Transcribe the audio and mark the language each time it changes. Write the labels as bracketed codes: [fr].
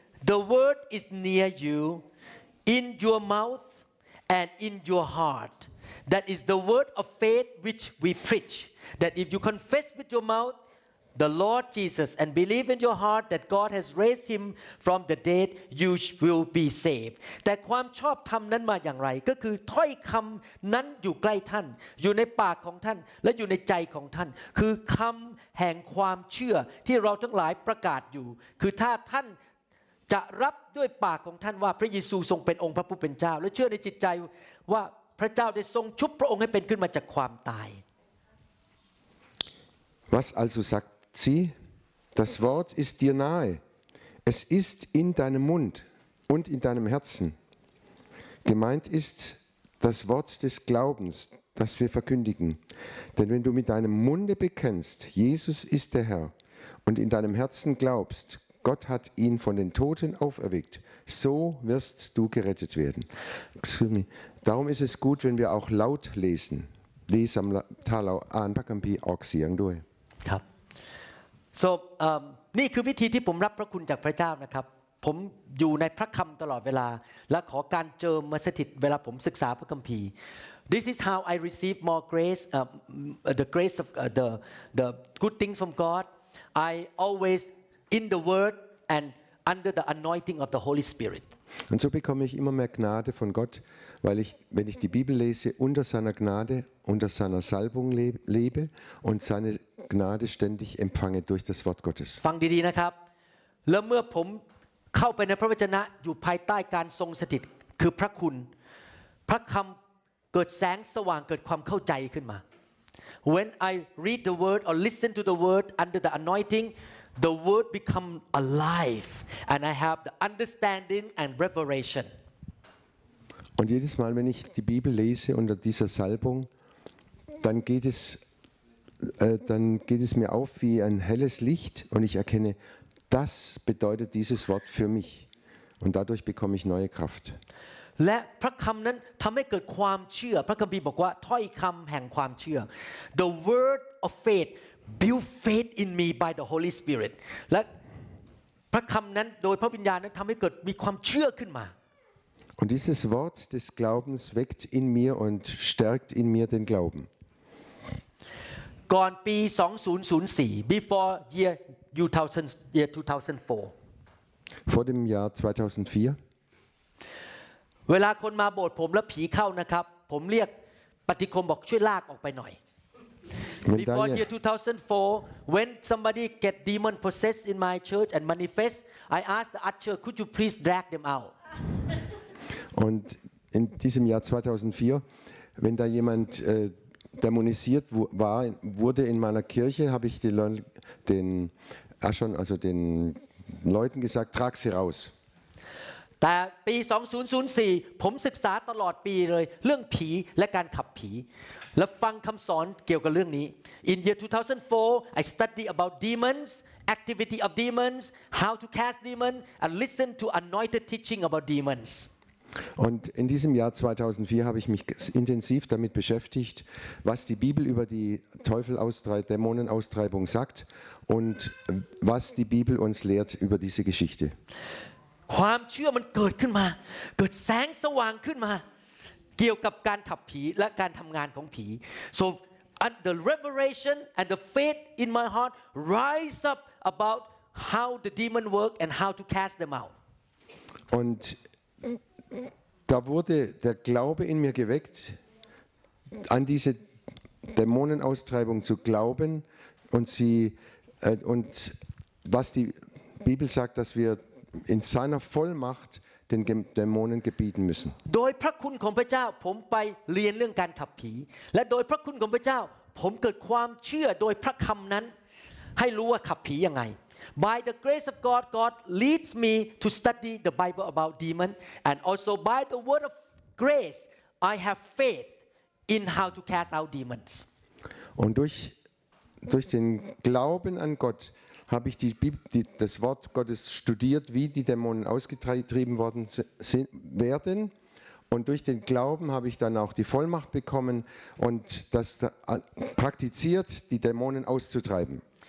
[en] The word is near you, in your mouth and in your heart. That is the word of faith which we preach. That if you confess with your mouth the Lord Jesus and believe in your heart that God has raised him from the dead you will be saved [th] แต่ความชอบธรรมนั้นมาอย่างไรก็คือถ้อยคำนั้นอยู่ใกล้ท่านอยู่ในปากของท่านและอยู่ในใจของท่านคือคำแห่งความเชื่อที่เราทั้งหลายประกาศอยู่คือถ้าท่านจะรับด้วยปากของท่านว่าพระเยซูทรงเป็นองค์พระผู้เป็นเจ้าและเชื่อในจิตใจว่าพระเจ้าได้ทรงชุบพระองค์ให้เป็นขึ้นมาจากความตาย [de] Was also sagtSieh, das Wort ist dir nahe. Es ist in deinem Mund und in deinem Herzen. Gemeint ist das Wort des Glaubens, das wir verkündigen. Denn wenn du mit deinem Munde bekennst, Jesus ist der Herr, und in deinem Herzen glaubst, Gott hat ihn von den Toten auferweckt, so wirst du gerettet werden. Darum ist es gut, wenn wir auch laut lesen. Lesam talau anpakampi oxiangdue. [en] So, [th] นี่คือวิธีที่ผมรับพระคุณจากพระเจ้านะครับผมอยู่ในพระคำตลอดเวลาและขอการเจิมมาสถิตเวลาผมศึกษาพระคัมภีร์ [en] This is how I receive more grace the grace of the good things from God I always in the word and under the anointing of the Holy Spirit [de] und so bekomme ich immer mehr Gnade von Gott weil ich wenn ich die Bibel lese unter seiner Gnade unter seiner Salbung lebe und seineGnade ständig empfange durch das Wort Gottes. [th] ฟังดีๆนะครับแล้วเมื่อผมเข้าไปในพระวจนะอยู่ภายใต้การทรงสถิตคือพระคุณพระคำเกิดแสงสว่างเกิดความเข้าใจขึ้นมา [en] When I read the word or listen to the word under the anointing The word become alive and I have the understanding and revelation. [de] Und jedes Mal, wenn ich die Bibel lese unter dieser Salbung, dann geht es mir auf wie ein helles Licht und ich erkenne, das bedeutet dieses Wort für mich. Und dadurch bekomme ich neue Kraft. [th] และพระคำนั้นทำให้เกิดความเชื่อพระคัมภีร์บอกว่าถ้อยคำแห่งความเชื่อ [en] The word of faith build faith in me by the Holy Spirit [th] และพระคำนั้นโดยพระวิญญาณนั้นทำให้เกิดมีความเชื่อขึ้นมา [de] Und dieses Wort des Glaubens weckt in mir und stärkt in mir den Glauben [th] ก่อนปี2004 [en] before year 2004 [de] Vor dem Jahr 2004 [th] เวลาคนมาโบสถ์ผมแล้วผีเข้านะครับผมเรียกปฏิคมบอกช่วยลากออกไปหน่อย [en] Before year 2004 when somebody get demon possessed in my church and manifest I ask the usher could you please drag them out [de] Und in diesem Jahr 2004 wenn da jemand dämonisiert wurde in meiner Kirche habe ich den Aschern also den Leuten gesagt trag sie raus [th] แต่ปี2004ผมศึกษาตลอดปีเลยเรื่องผีและการขับผีและฟังคำสอนเกี่ยวกับเรื่องนี้ [en] In year 2004 I study about demons activity of demons how to cast demons and listen to anointed teaching about demons [de] Und in diesem Jahr 2004 habe ich mich intensiv damit beschäftigt was die Bibel über die Dämonenaustreibung sagt und was die Bibel uns lehrt über diese Geschichte [th] ความเชื่อมันเกิดขึ้นมาเกิดแสงสว่างขึ้นมาเกี่ยวกับการขับผีและการทำงานของผี [en] so the revelation and the faith in my heart rise up about how the demon work and how to cast them out [de] und da wurde der Glaube in mir geweckt an diese Dämonenaustreibung zu glauben und sie und was die Bibel sagt dass wirin seiner Vollmacht den Dämonen gebieten müssen. [th] โดยพระคุณของพระเจ้าผมไปเรียนเรื่องการขับผีและโดยพระคุณของพระเจ้าผมเกิดความเชื่อโดยพระคำนั้นให้รู้ว่าขับผียังไง [en] By the grace of God, God leads me to study the Bible about demon and also by the word of grace, I have faith in how to cast out demons. [de] Und durch den Glauben an GottHabe ich das Wort Gottes studiert, wie die Dämonen ausgetrieben worden werden, und durch den Glauben habe ich dann auch die Vollmacht bekommen und das praktiziert, die Dämonen auszutreiben.